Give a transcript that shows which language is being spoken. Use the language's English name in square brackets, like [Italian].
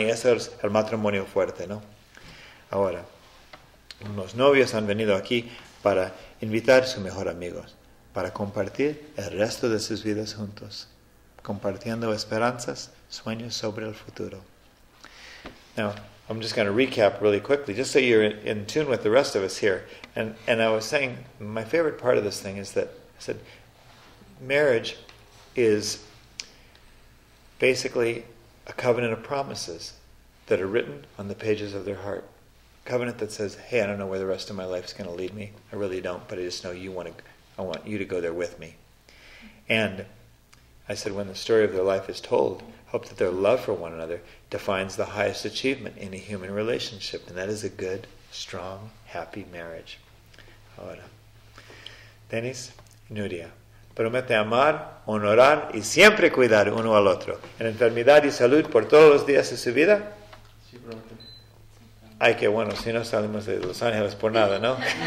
[Spanish] Y eso es el matrimonio fuerte, ¿no? Ahora, unos novios han venido aquí para invitar a sus mejores amigos, para compartir el resto de sus vidas juntos, compartiendo esperanzas, sueños sobre el futuro. [English] Now, I'm just going to recap really quickly, just so you're in tune with the rest of us here. And I was saying, my favorite part of this thing is that, I said, marriage is basically a covenant of promises that are written on the pages of their heart. A covenant that says, hey, I don't know where the rest of my life is going to lead me. I really don't, but I just know you want to. I want you to go there with me. And I said, when the story of their life is told, hope that their love for one another defines the highest achievement in a human relationship, and that is a good, strong, happy marriage. [Spanish] Ahora, Dennis, Nuria, promete amar, honorar y siempre cuidar uno al otro. En enfermedad y salud por todos los días de su vida. Sí, promete. Ay, qué bueno, si no salimos de Los Ángeles por nada, ¿no?